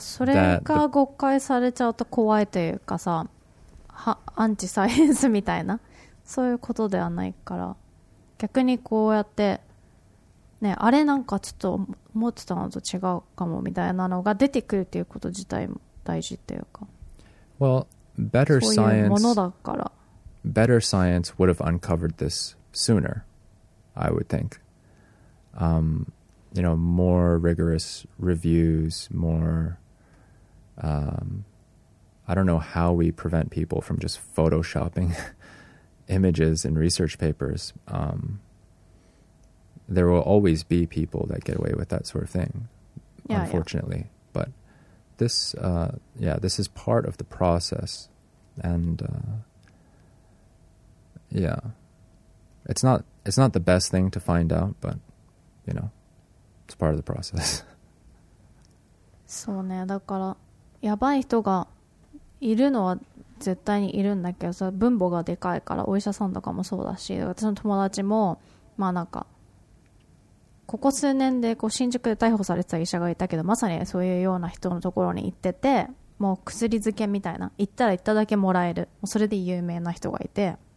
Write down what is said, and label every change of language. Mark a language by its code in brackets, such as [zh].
[ja] それが誤解されちゃうと怖いというかさ、アンチサイエンスみたいな、そういうことではないから、逆にこうやって、ね、あれなんかちょっと思ってたのと違うかもみたいなのが出てくるっていうこと自体も大事っていうか。 [en] Well, better science... [ja] そういうものだから。 [en] Better science would have uncovered this sooner, I would think. You know, more rigorous reviews, more... I don't know how we prevent people from just photoshopping images in research papers. There will always be people that get away with that sort of thing, yeah, unfortunately. Yeah. But this, this is part of the process. And... yeah, it's not the best thing to find out, but you know, it's part of the process. [ja] そうね、だからやばい人がいるのは絶対にいるんだけどさ、分母がでかいから、お医者さんとかもそうだし、私の友達もまあなんかここ数年でこう新宿で逮捕されてた医者がいたけど、まさにそういうような人のところに行ってて、もう薬漬けみたいな、行ったら行っただけもらえる、もうそれで有名な人がいて。